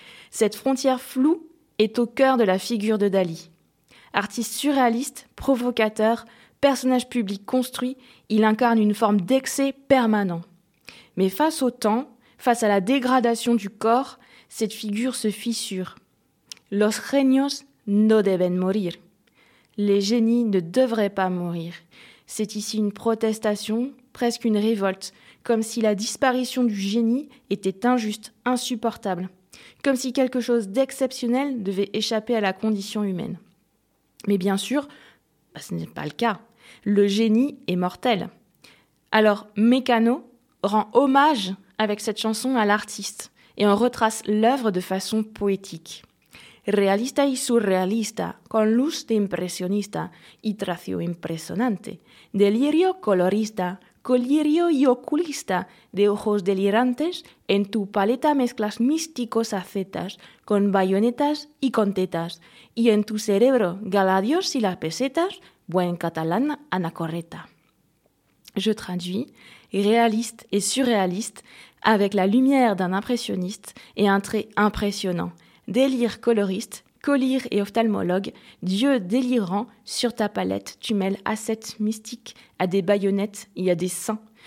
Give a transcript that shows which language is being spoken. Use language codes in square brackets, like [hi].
[fr] Cette frontière floue est au cœur de la figure de Dalí. Artiste surréaliste, provocateur, personnage public construit, il incarne une forme d'excès permanent. Mais face au temps, face à la dégradation du corps, cette figure se fissure. [es] Los genios no deben morir. [fr] Les génies ne devraient pas mourir. C'est ici une protestation, presque une révolte, comme si la disparition du génie était injuste, insupportable. Comme si quelque chose d'exceptionnel devait échapper à la condition humaine. Mais bien sûr, ce n'est pas le cas. Le génie est mortel. Alors, Mécano rend hommage avec cette chanson à l'artiste et en retrace l'œuvre de façon poétique. [es] Realista y surrealista, con luz de impresionista y tracio impresionante, delirio colorista, colirio y oculista, de ojos delirantes, en tu paleta mezclas místicos acetas con bayonetas y con tetas, y en tu cerebro galadios y las pesetas, buen catalán anacoreta. [fr] Je traduis réaliste et surréaliste avec la lumière d'un impressionniste et un trait impressionnant. Délire coloriste, colire et ophtalmologue, dieu délirant, sur ta palette tu mêles ascètes mystiques à des baïonnettes et à des saints.